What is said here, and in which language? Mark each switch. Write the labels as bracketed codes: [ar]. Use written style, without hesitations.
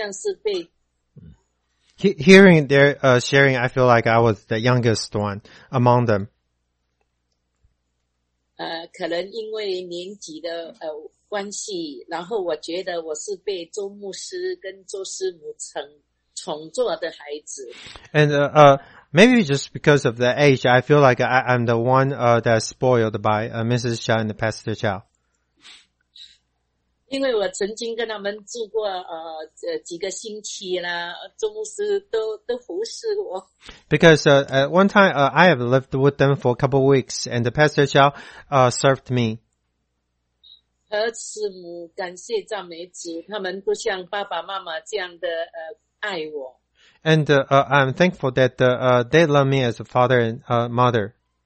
[zh] 听到赖牧师跟林牧师讲到周牧师的时候，我在听的时候就觉得我在他们当中是年纪最轻的，我好像是被。 [en] Hearing their sharing, I feel like I was the youngest one among them. [zh] 可能因为年纪的关系，然后我觉得我是被周牧师跟周师母宠坐的孩子。 [en] And maybe just because of the age, I feel like I'm the one that's spoiled by Mrs. Chia and Pastor Chow. [zh] 因为我曾经跟他们住过几个星期啦，周牧师都服侍我。 [en] Because at one time I have lived with them for a couple of weeks, and the Pastor Chow served me. [zh] 和慈母感谢赞美主，他们都像爸爸妈妈这样的爱我。 [en] And I'm thankful that they love me as a father and mother.